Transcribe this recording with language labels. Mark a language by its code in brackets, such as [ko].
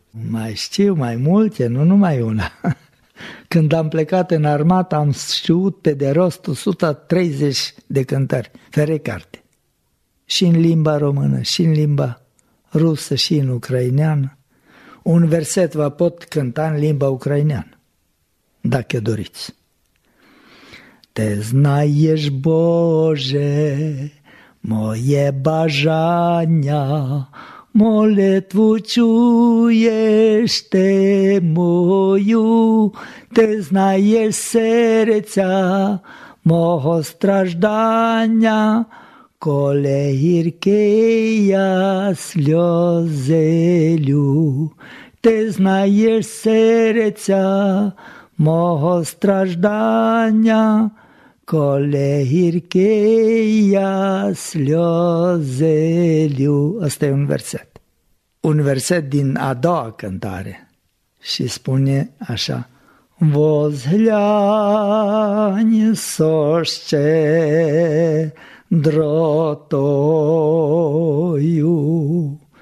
[ro] Mai știu mai multe, nu numai una. Când am plecat în armată, am știut pe de rost 130 de cântări, ferecarte. Și în limba română, și în limba rusă, și în ucraineană. Un verset vă pot cânta în limba ucraineană, dacă doriți. [uk] Te znаєш, Боже, моє бажання, молитву чуєш ти мою, ти знаєш серця мого страждання, коли гірке я сльози лю, ти знаєш серця мого страждання, коли гірке я сльози лю. Оце є версет. [ro] Un verset din a doua cântare și spune așa: [uk] Vozhlyanie soshche drotoyu